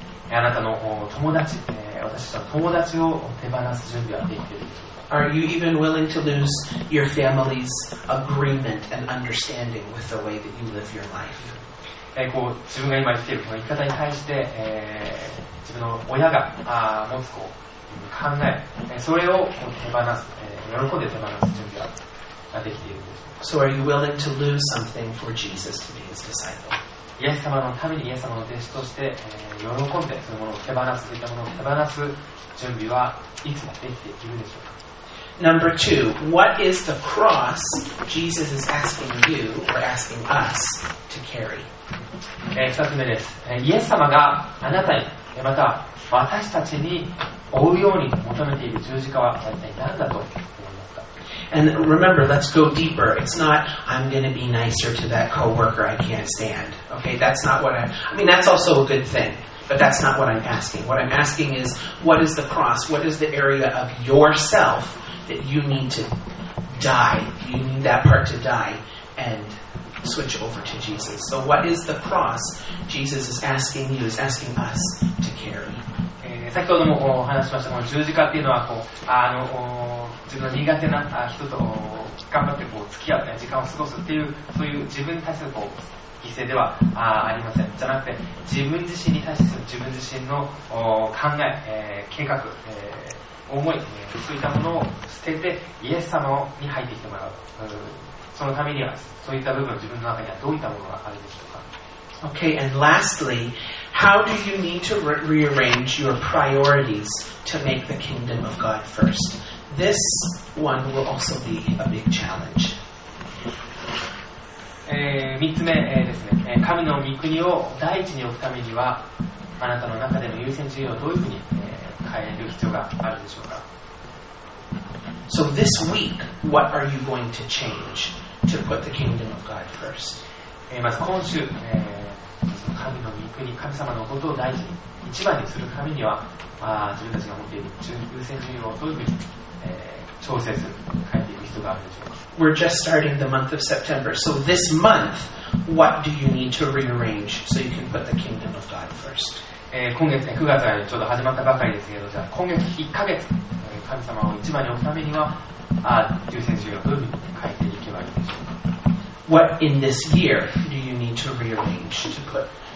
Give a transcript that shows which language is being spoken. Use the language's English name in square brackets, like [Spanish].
[Japanese] あなたの友達私の友達を手放す準備はできているでしょうか。 [English] Are you even willing to lose your family's agreement and understanding with the way that you live your life? [Japanese] こう自分が今生きているこの生き方に対して、自分の親が持つこう考え、それを手放す、喜んで手放す準備ができているんです。 [English] So are you willing to lose something for Jesus to be his disciple? [Japanese] イエス様のためにイエス様の弟子として、喜んでそのものを手放す、そういったものを手放す準備はいつもできているでしょうか。 [English] Number two, what is the cross Jesus is asking you or asking us to carry? [Japanese] 二つ目です。イエス様があなたに、また私たちに負うように求めている十字架は一体何だと思いますか? [English] And remember, let's go deeper. It's not, I'm going to be nicer to that coworker I can't stand. Okay, that's not what I mean, that's also a good thing. But that's not what I'm asking. What I'm asking is, what is the cross? What is the area of yourself that you need to die? You need that part to die and switch over to Jesus. So what is the cross Jesus is asking you, is asking us to carry? [Japanese] 先ほどもお話しました、この十字架っていうのはこう自分の苦手な人と頑張ってこう付き合って時間を過ごすっていう、そういう自分に対するこう犠牲ではありません。じゃなくて自分自身に対して自分自身の考え、計画、思い、そういったものを捨ててイエス様に入ってきてもらう。そのためにはそういった部分自分の中にはどういったものがあるでしょうか。 [English] Okay, and lastly, how do you need to rearrange your priorities to make the kingdom of God first? This one will also be a big challenge. [Japanese] 3つ目、ですね、神の御国を第一に置くためにはあなたの中での優先順位をどういうふうに、変える必要があるでしょうか。 [English] So this week, what are you going to change to put the kingdom of God first? [Japanese] まず今週、神の御国、神様のことを第一に一番にするためには、自分たちが持っている優先順位をどういうふうに、調整する、変えていく必要があるでしょうか。 [English] We're just starting the month of September. So this month, what do you need to rearrange so you can put the kingdom of God first? [Japanese] 今月、9月がちょうど始まったばかりですけど、じゃあ今月1ヶ月、神様を一番に置くためには、優先順位をどういうふうに変えていけばいいでしょうか。 [English] What in this year do you need to rearrange to put